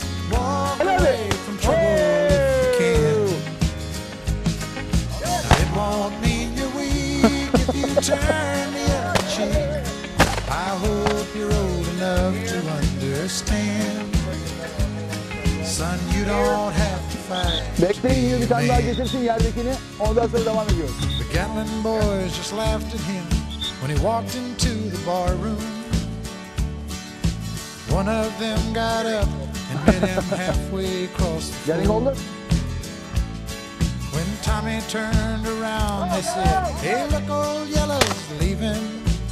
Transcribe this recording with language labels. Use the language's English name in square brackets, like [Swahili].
[English] Walk away from trouble if you can. Now, it won't mean you're weak if you turn the other cheek. I hope you're old enough to understand. Son, you don't have to fight. [Turkish] Bekleyin, bir tane daha getirsin yerdekini. Ondan sonra devam ediyoruz. [English] The Gatlin boys just laughed at him when he walked into the bar room. One of them got up and met him halfway across the floor. Getting older? When Tommy turned around, they said, hey, look, old Yellow's leaving.